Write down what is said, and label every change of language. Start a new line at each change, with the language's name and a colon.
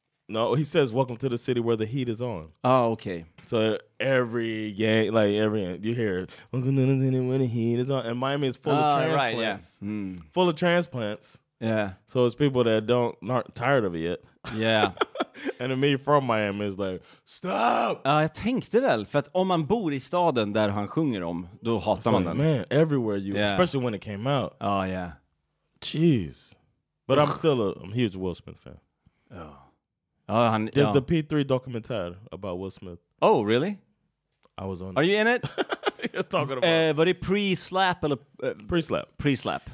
English: No, he says, welcome to the city where the heat is on. Oh, okay. So every game, like every, you hear, welcome to the city where the heat is on. And Miami is full of transplants. Right, yeah. Full of transplants. Yeah. So it's people that don't, aren't tired of it yet. Yeah. And me from Miami is like, stop!
Swedish: Jag tänkte väl, för att om man bor i staden där han sjunger om, då hatar man den.
English: Man, everywhere you, yeah. Especially when it came out. Oh, yeah. Jeez. But I'm still a huge Will Smith fan. Oh. There's the P3 documentary about Will Smith. Oh, really? I was on. Are you in it? You're talking about. Was it pre-slap or pre-slap? Pre-slap.